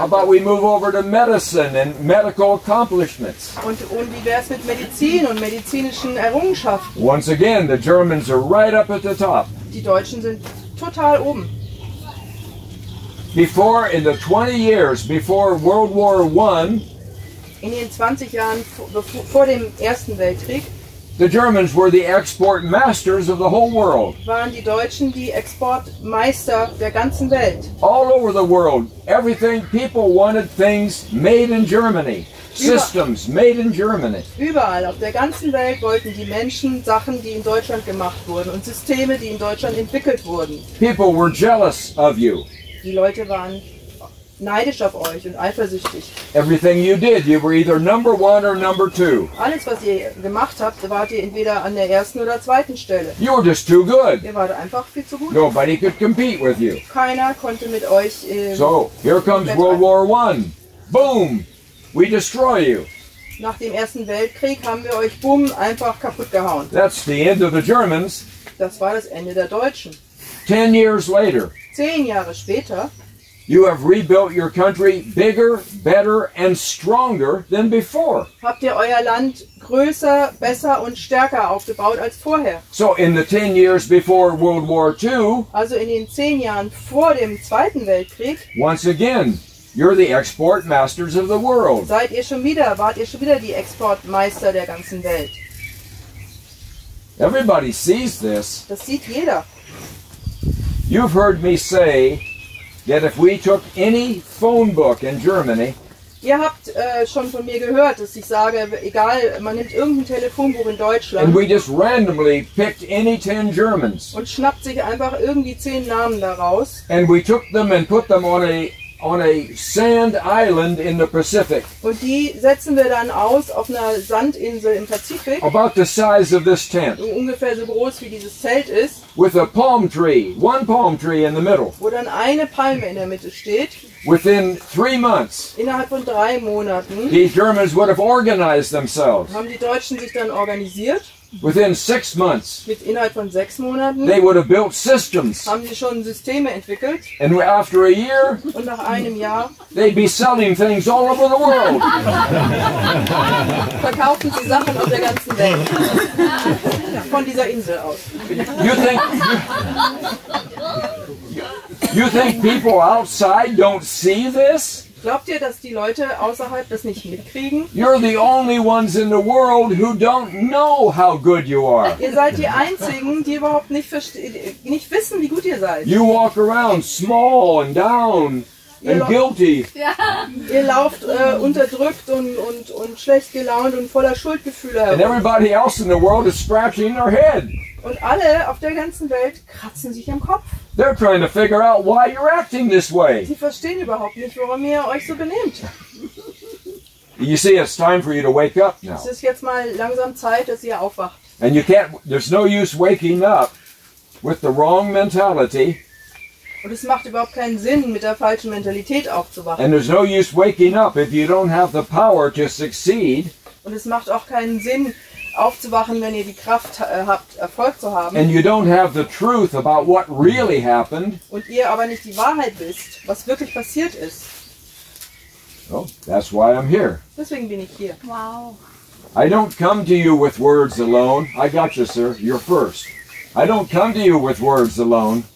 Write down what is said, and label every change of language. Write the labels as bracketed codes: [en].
[en] How about we move over to medicine and medical accomplishments? [de] Und wie wär's mit Medizin und medizinischen Errungenschaften? [en] Once again, the Germans are right up at the top. [de] Die Deutschen sind total oben. [en] Before, in the 20 years before World War I, [de] in den 20 Jahren vor dem Ersten Weltkrieg, [en] the Germans were the export masters of the whole world. [de] Waren die Deutschen die Exportmeister der ganzen Welt. [en] All over the world, everything people wanted, things made in Germany. Systems made in Germany. [de] Überall auf der ganzen Welt wollten die Menschen Sachen, die in Deutschland gemacht wurden, und Systeme, die in Deutschland entwickelt wurden. [en] People were jealous of you. [de] Die Leute waren neidisch auf euch und eifersüchtig. [en] Everything you did, you were either number one or number two. [de] Alles, was ihr gemacht habt, wart ihr entweder an der ersten oder zweiten Stelle. [en] You were just too good. [de] Ihr wart einfach viel zu gut. [en] Nobody could compete with you. [de] Keiner konnte mit euch. [en] So, here comes World War I. Boom! We destroy you. [de] Nach dem Ersten Weltkrieg haben wir euch, boom, einfach kaputt gehauen. [en] That's the end of the Germans. [de] Das war das Ende der Deutschen. [en] 10 years later. [de] 10 Jahre später. [en] You have rebuilt your country bigger, better and stronger than before. [de] Habt ihr euer Land größer, besser und stärker aufgebaut als vorher. [en] So in the 10 years before World War II. [de] Also in den 10 Jahren vor dem Zweiten Weltkrieg. [en] Once again, you're the export masters of the world. [de] Seid ihr schon wieder, wart ihr schon wieder die Exportmeister der ganzen Welt. [en] Everybody sees this. [de] Das sieht jeder. [en] You've heard me say that if we took any phone book in Germany, [de] Ihr habt schon von mir gehört, dass ich sage, egal, man nimmt irgendein Telefonbuch in Deutschland. [en] And we just randomly picked any 10 Germans. [de] Und schnappt sich einfach irgendwie 10 Namen daraus. [en] And we took them and put them on a sand island in the Pacific. [de] Und die setzen wir dann aus auf einer Sandinsel im Pazifik. [en] About the size of this tent. [de] Ungefähr so groß wie dieses Zelt ist. [en] With a palm tree, one palm tree in the middle. [de] Wo dann eine Palme in der Mitte steht. [en] Within 3 months. [de] Innerhalb von 3 Monaten. [en] The Germans would have organized themselves. [de] Haben die Deutschen sich dann organisiert? [en] Within 6 months. [de] Mit innerhalb von 6 Monaten. [en] They would have built systems. [de] Haben sie schon Systeme entwickelt? [en] And after a year. [de] Und nach einem Jahr. [en] They'd be selling things all over the world. [de] Verkaufen sie Sachen auf der ganzen Welt. Von dieser Insel aus. [en] You think people outside don't see this? [de] Glaubt ihr, dass die Leute außerhalb das nicht mitkriegen? [en] You're the only ones in the world who don't know how good you are. [de] Ihr seid die Einzigen, die überhaupt nicht wissen, wie gut ihr seid. [en] You walk around small and down and guilty. [de] Ja. Ihr lauft unterdrückt und schlecht gelaunt und voller Schuldgefühle herum. [en] And everybody else in the world is scratching their head. [de] Und alle auf der ganzen Welt kratzen sich am Kopf. [en] They're trying to figure out why you're acting this way. [de] Sie verstehen überhaupt nicht, warum ihr euch so benehmt. [en] You see, it's time for you to wake up now. [de] Es ist jetzt mal langsam Zeit, dass ihr aufwacht. [en] And you can't, there's no use waking up with the wrong mentality. [de] Und es macht überhaupt keinen Sinn, mit der falschen Mentalität aufzuwachen. [en] And there's no use waking up if you don't have the power to succeed. [de] Und es macht auch keinen Sinn, aufzuwachen, wenn ihr die Kraft habt, Erfolg zu haben. [en] And you don't have the truth about what really happened. [de] Und ihr aber nicht die Wahrheit wisst, was wirklich passiert ist. [en] Oh, that's why I'm here. [de] Deswegen bin ich hier. [en] Wow. I don't come to you with words alone. I got you, sir. You're first. I don't come to you with words alone.